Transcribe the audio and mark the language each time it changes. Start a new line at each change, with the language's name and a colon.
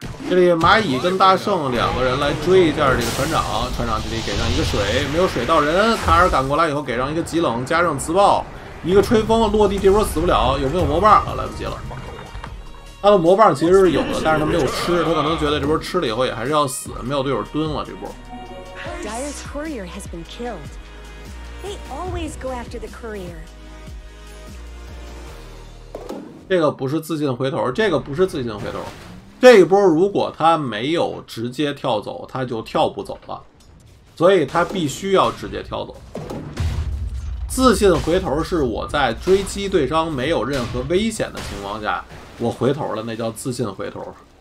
Chinese: 这里蚂蚁跟大圣两个人来追一下这个船长，船长这里给上一个水，没有水到人，卡尔赶过来以后给上一个极冷，加上磁暴一个吹风落地，这波死不了，有没有魔棒啊？来不及了，他的魔棒其实是有的，但是他没有吃，他可能觉得这波吃了以后也还是要死，没有队友蹲了。这波
English: Dire's courier has been killed. They always go after the courier.
Chinese: 这个不是自信回头，这个不是自信回头，这一波如果他没有直接跳走他就跳不走了，所以他必须要直接跳走。自信回头是我在追击对方没有任何危险的情况下我回头了，那叫自信回头。